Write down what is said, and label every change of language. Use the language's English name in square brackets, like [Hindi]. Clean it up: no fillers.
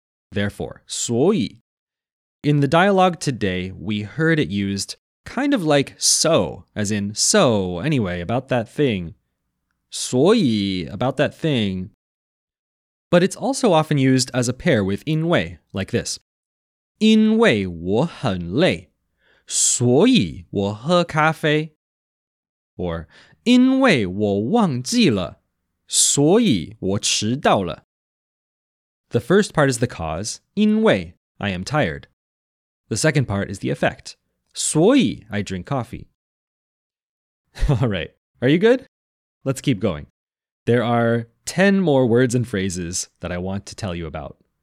[English] Therefore, 所以. In the dialogue today, we heard it used kind of like so, as in so, anyway, about that thing. 所以, about that thing. But it's also often used as a pair with 因为, like this. [Chinese] 因为我很累,所以我喝咖啡. [English] Or [Chinese] 因为我忘记了,所以我迟到了. [English] The first part is the cause, 因为, I am tired. The second part is the effect. 所以, I drink coffee. Alright, are you good? Let's keep going. There are 10 more words and phrases that I want to tell you about.